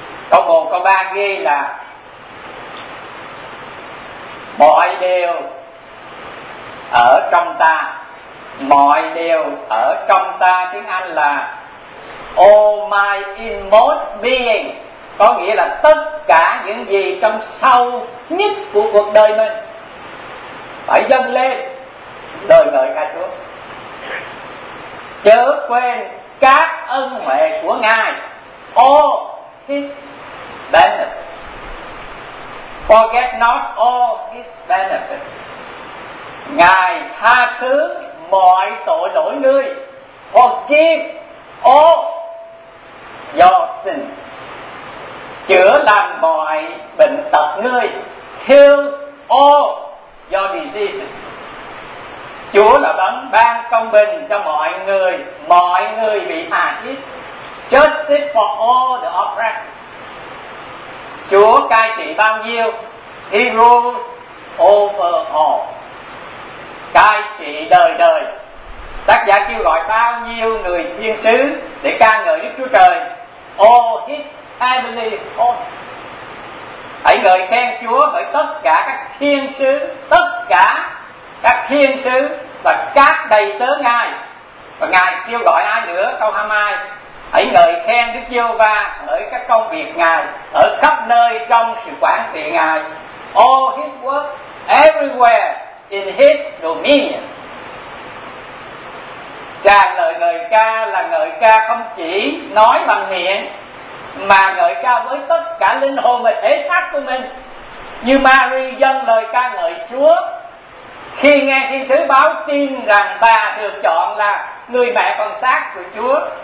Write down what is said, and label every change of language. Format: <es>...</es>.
<vi>Câu 1, câu 3 ghi là mọi điều ở trong ta, mọi điều ở trong ta, tiếng Anh là</vi> <en>all my inmost being,</en> <vi>có nghĩa là tất cả những gì trong sâu nhất của cuộc đời mình phải dâng lên đời ngợi ca Chúa. Chớ quên các ân huệ của Ngài.</vi> <en>All his benefits. Forget not all his benefits.</en> <vi>Ngài tha thứ mọi tội lỗi ngươi.</vi> <en>Forgive all your sins.</en> <vi>Chữa lành mọi bệnh tật ngươi.</vi> <en>Heals all your diseases.</en> <vi>Chúa là đấng ban công bình cho mọi người bị hà hiếp.</vi> <en>Justice for all the oppressed.</en> <vi>Chúa cai trị bao nhiêu?</vi> <en>He rules over all.</en> <vi>Cai trị đời đời. Tác giả kêu gọi bao nhiêu người thiên sứ để ca ngợi Đức Chúa Trời.</vi> <en>All his heavenly hosts.</en> <vi>Hãy ngợi khen Chúa bởi tất cả các thiên sứ, tất cả các thiên sứ và các đầy tớ Ngài. Và Ngài kêu gọi ai nữa? Câu 22, hãy ngợi khen Đức Giê-hô-va bởi các công việc Ngài ở khắp nơi trong sự quản trị Ngài.</vi> <en>All his works everywhere in his dominion.</en> <vi>Tràn lời ngợi ca là ngợi ca không chỉ nói bằng miệng, mà ngợi ca với tất cả linh hồn và thể xác của mình. Như Mary dâng lời ca ngợi Chúa khi nghe thiên sứ báo tin rằng bà được chọn là người mẹ phần xác của Chúa.</vi>